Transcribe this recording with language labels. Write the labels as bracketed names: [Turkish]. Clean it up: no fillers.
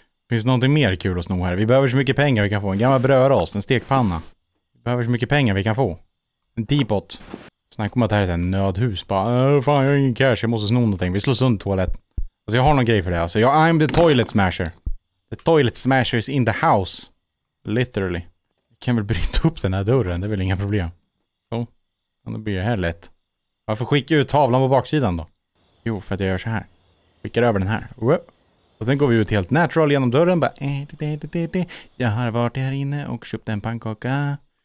[Swedish] Finns det någonting mer kul att sno här? Vi behöver så mycket pengar vi kan få. En gammal brödrost, en stekpanna. Vi behöver så mycket pengar vi kan få. En teapot. Snack om att det här är ett nödhus. Bara, fan, jag har ingen cash. Jag måste sno någonting. Vi slår sönder toaletten. Alltså, jag har någon grej för det. Alltså, jag är [English] the toilet smasher. The toilet smasher is in the house. Literally. [Swedish] Jag kan väl bryta upp den här dörren. Det är väl inga problem. Så. Ja, då blir det här lätt. Varför skickar jag ut tavlan på baksidan då? Jo, för att jag gör så här. Skickar över den här. Whoop. Och sen går vi ut helt natural genom dörren. Bara, jag har varit här inne och köpt en pannkaka.